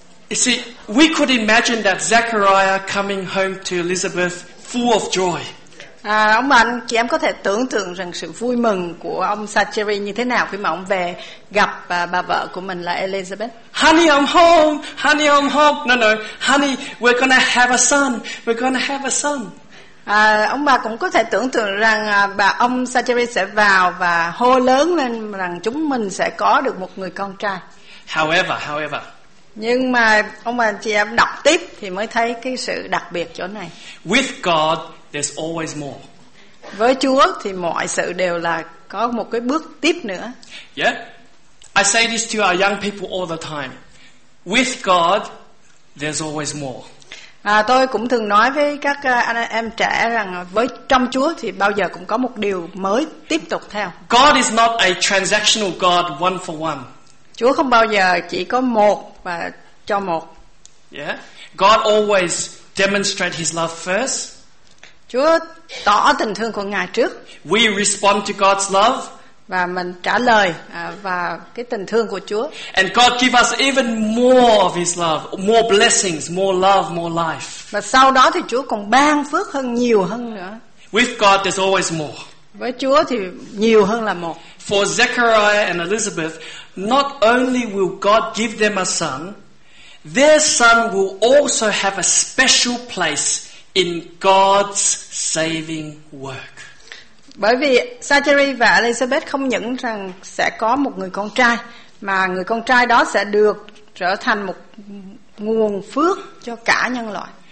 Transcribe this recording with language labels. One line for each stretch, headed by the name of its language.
English: You see, we could imagine that Zechariah coming home to Elizabeth full of joy.
Vietnamese: Ông bà anh chị em có thể tưởng tượng rằng sự vui mừng của ông Zachary như thế nào khi mà ông về gặp bà vợ của mình là Elizabeth.
English: Honey, I'm home. No. Honey, we're gonna have a son.
Vietnamese: Ông bà cũng có thể tưởng tượng rằng bà ông Zachary sẽ vào và hô lớn lên rằng chúng mình sẽ có được một người con trai.
English: However.
Vietnamese: Nhưng mà ông bà anh chị em đọc tiếp thì mới thấy cái sự đặc biệt chỗ này.
English: With God, there's always more.
Vietnamese: Với Chúa thì mọi sự đều là có một cái bước tiếp nữa.
English: Yeah. I say this to our young people all the time. With God, there's always more.
Vietnamese: Tôi cũng thường nói với các anh em trẻ rằng với trong Chúa thì bao giờ cũng có một điều mới tiếp tục theo.
English: God is not a transactional God, one for one.
Vietnamese: Chúa không bao giờ chỉ có một và cho một.
English: Yeah. God always demonstrate his love first.
Vietnamese: Chúa tỏ tình thương của Ngài trước.
English: We respond to God's love.
Vietnamese: Và mình trả lời và cái tình thương của Chúa.
English: And God give us even more of his love, more blessings, more love, more life.
Vietnamese: Và sau đó thì Chúa còn ban phước hơn nhiều hơn nữa.
English: With God there's always more.
Vietnamese: Với Chúa thì nhiều hơn là một.
English: For Zechariah and Elizabeth, not only will God give them a son, their son will also have a special place in God's saving work.
Vietnamese: Bởi vì Zachary và Elizabeth không những rằng sẽ có một người con trai, mà người con trai đó sẽ được trở thành một nguồn phước cho cả nhân loại.